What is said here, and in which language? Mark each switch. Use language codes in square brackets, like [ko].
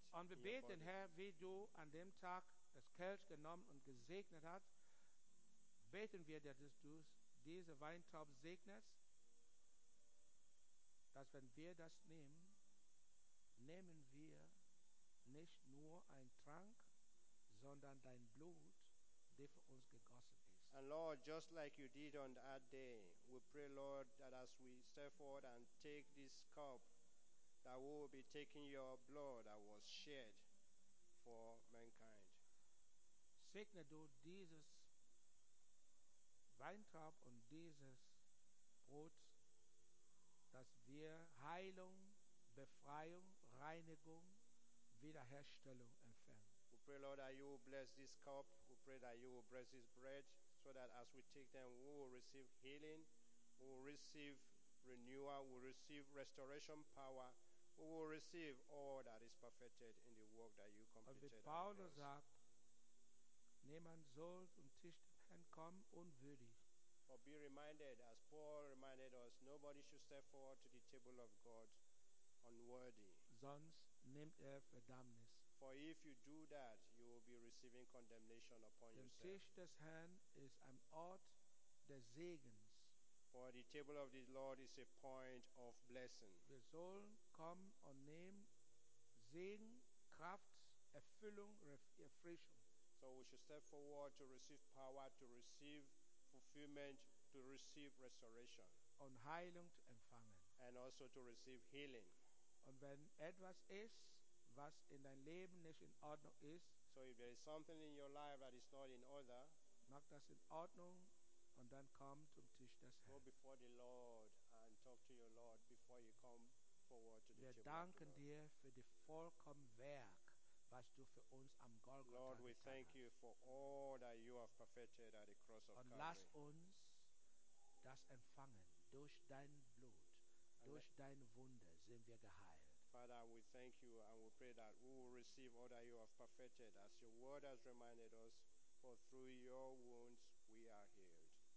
[de] Und wir beten, Herr, wie du an dem Tag das Kelch genommen und gesegnet hast, beten wir, dass du diese Weintraub segnest, dass wenn wir das nehmen, nehmen wir nicht nur einen Trank, sondern dein Blut, das für uns gegossen ist. [en] And Lord, just like you did on that day, we pray, Lord, that as we step forward and take this cup, that we will be taking your blood that was shed for mankind. [de] Segne du dieses Weintraub und dieses Brot, dass wir Heilung, Befreiung, Reinigung, Wiederherstellung empfangen. [en] We pray, Lord, that you will bless this cup. We pray that you will bless this bread, so that as we take them, we will receive healing, we will receive renewal, we will receive restoration power, we will receive all that is perfected in the work that you completed. [de] Und wie Paulus sagt, niemand soll zum Tisch kommen unwürdig. [en] But be reminded, as Paul reminded us, nobody should step forward to the table of God unworthy. [de] Sonst nimmt Verdammnis. [en] For if you do that, you will be receiving condemnation upon [de] Dem [en] yourself. [de] Tisch des Herrn ist ein Ort des Segens. [en] For the table of the Lord is a point of blessing. [de] Wir sollen kommen und nehmen Segen, Kraft, Erfüllung, Erfrischung. [en] So we should step forward to receive power, to receive fulfillment, to receive restoration. [de] Und Heilung zu empfangen. [en] And also to receive healing. [de] Und wenn etwas ist, was in dein Leben nicht in Ordnung ist, [en] so if there is something in your life that is not in order, [de] mach das in Ordnung und dann komm zum Tisch des Herrn. [en] Go before the Lord and talk to your Lord before you come forward to the table. [de] Wir danken dir für die vollkommen Werk, was du für uns am Golgotha getan [en] Lord, we thank you for all that you have perfected at the cross of Calvary. [de] Und lass uns das empfangen durch dein Blut, durch dein Wunder sind wir geheilt. [en] Father, we thank you and we pray that we will receive all that you have perfected as your word has reminded us, for through your wounds we are healed.